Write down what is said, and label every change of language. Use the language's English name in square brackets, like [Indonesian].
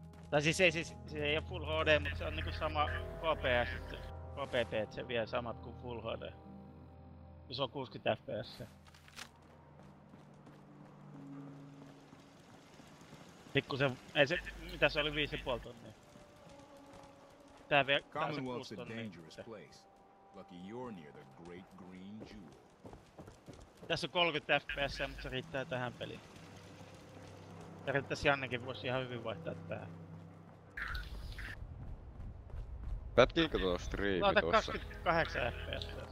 [Finnish] Tai siis ei oo Full HD, mutta se on niinku sama KPP, et se vie samat kuin Full HD. Se on 60 fps. Pikkusen, ei se, mitä se oli 5,5 tonnia. Tää vie 6 tonnia. [English] Lucky you're near the great green jewel. [Finnish] Tässä on 30 fps, mutta se riittää tähän peliin. Periaatteessa Jannekin voisi ihan hyvin vaihtaa tähän. Pätkiinkö tuo striimi tuossa? Laita 28 fps.